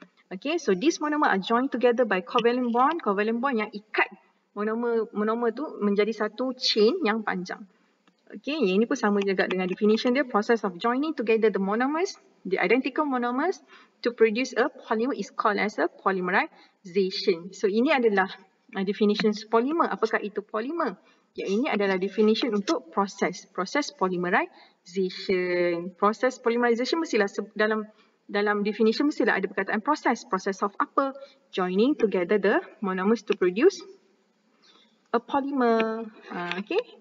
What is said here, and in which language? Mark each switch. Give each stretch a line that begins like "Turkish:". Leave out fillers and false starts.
English: Okay, so this monomer are joined together by covalent bond.
Malay: Covalent bond yang ikat monomer tu menjadi satu chain yang panjang. Okay, yang ini pun sama juga dengan definition dia.
English: Process of joining together the monomers, the identical monomers, to produce a polymer is called as a polymerization.
Malay: So, ini adalah definition polymer. Apakah itu polymer? Ya, ini adalah definition untuk proses. Proses polymerization. Proses polymerization mestilah dalam definition mestilah ada perkataan proses. Proses of apa?
English: Joining together the monomers to produce a polymer. Okay.